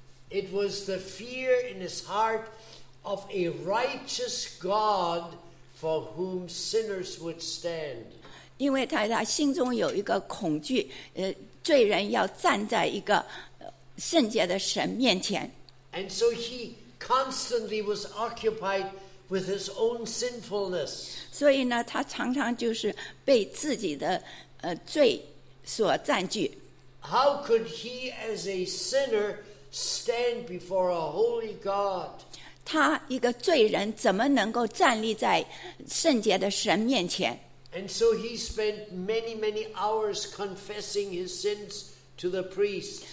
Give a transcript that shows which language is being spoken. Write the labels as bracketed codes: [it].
[en] It was the fear in his heart of a righteous God for whom sinners would stand. [zh] 因为他心中有一个恐惧，罪人要站在一个圣洁的神面前。 [en] And so he constantly was occupied with his own sinfulness. [zh] 所以呢，他常常就是被自己的罪所占据。 [en] How could he, as a sinner, stand before a holy God? [zh] 他一个罪人怎么能够站立在圣洁的神面前？ [en] And so he spent many, many hours confessing his sins to the priest.